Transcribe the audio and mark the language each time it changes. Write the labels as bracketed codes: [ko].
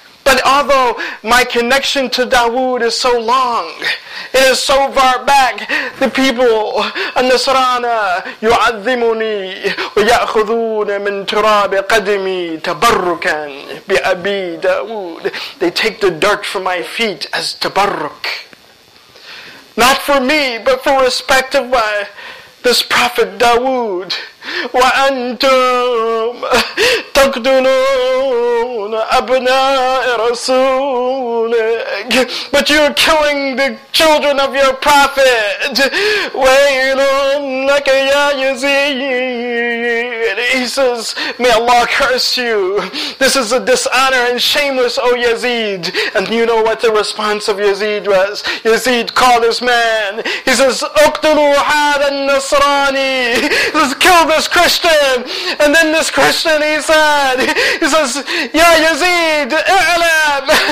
[en] But although my connection to Dawood is so long, it is so far back, the people, [ar] النصرانه, يعظمني ويأخذون من تراب قدمي تبركا بأبي داود. [en] They take the dirt from my feet as tabarruk. Not for me, but for respect of my this prophet Dawood. [ar] وأنتم تقتلون أبناء رسولك. [en] But you're killing the children of your prophet. [ar] ويل لك يا يزيد. [en] He says, "May Allah curse you. This is a dishonor and shameless, O Yazid." And you know what the response of Yazid was? Yazid called his man. He says, [ar] "اقتلوا هذا النصراني." [en] Let's kill this Christian. And then this Christian, he says, "Ya Yazid, I'lam,